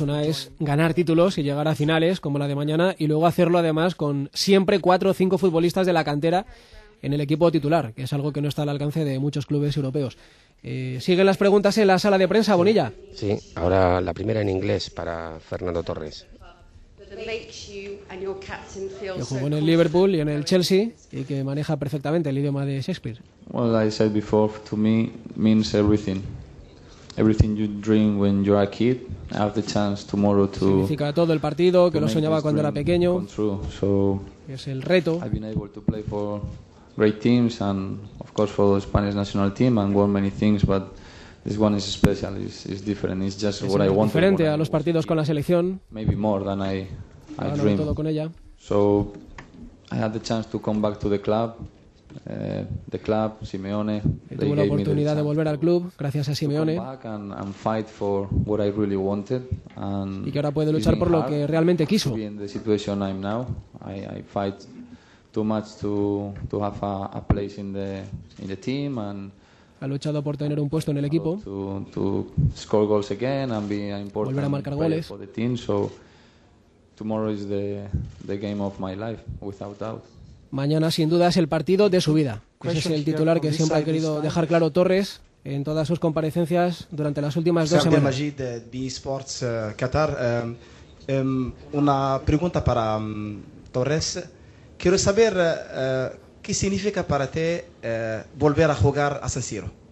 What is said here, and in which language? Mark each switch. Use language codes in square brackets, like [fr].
[es] Una es ganar títulos y llegar a finales, como la de mañana, y luego hacerlo además con siempre 4 o 5 futbolistas de la cantera en el equipo titular, que es algo que no está al alcance de muchos clubes europeos. ¿Siguen las preguntas en la sala de prensa, Bonilla? Sí, ahora la primera en inglés para Fernando Torres. Que jugó en el Liverpool y en el Chelsea y que maneja perfectamente el idioma de Shakespeare. [en] Well, I said before, to me means everything. Everything you dream when you're a kid, I have the chance tomorrow to. [es] Significa todo el partido que lo soñaba cuando era pequeño. [en] So, [es] es el reto. [en] I've been able to play for great teams and of course for the Spanish national team and won many things, but this one is special. It's different. It's just [es] es [en] what I want. [es] Diferente a los partidos con la selección. [en] Maybe more than I dream. [es] Todo con ella. [en] So I had the chance to come back to the club. The club, Simeone. [es] Tuve la oportunidad de volver al club gracias a Simeone. [en] And fight for what I really wanted. And [es] y que ahora puede luchar por lo que realmente quiso. [en] To be in the situation I'm now, I fight too much to have a place in the team and [es] ha luchado por tener un puesto en el equipo. [en] To score goals again and be an important [es] volver a marcar goles. [en] For the team. So tomorrow is the game of my life, without doubt. [es] Mañana, sin duda, es el partido de su vida. Ese es el titular que siempre ha querido dejar claro Torres en todas sus comparecencias durante las últimas dos semanas. Sergio Magí, de B-Sports Qatar. Una pregunta para Torres. Quiero saber qué significa para ti volver a jugar a San Siro.